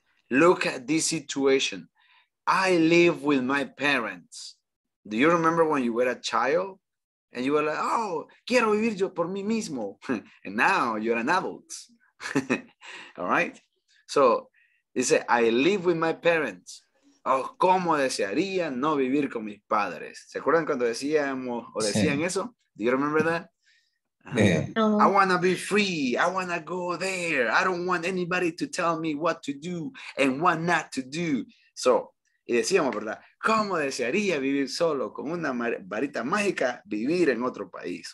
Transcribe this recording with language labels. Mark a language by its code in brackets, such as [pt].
[en] Look at this situation. I live with my parents. Do you remember when you were a child and you were like, oh, [es] quiero vivir yo por mí mismo. [en] And now you're an adult. All right. So you say, I live with my parents. [es] Oh, cómo desearía no vivir con mis padres. ¿Se acuerdan cuando decíamos o decían sí. eso? [en] Do you remember that? Yeah. I want to be free. I want to go there. I don't want anybody to tell me what to do and what not to do. [es] So, y decíamos, ¿verdad? ¿Cómo desearía vivir solo con una varita mágica vivir en otro país?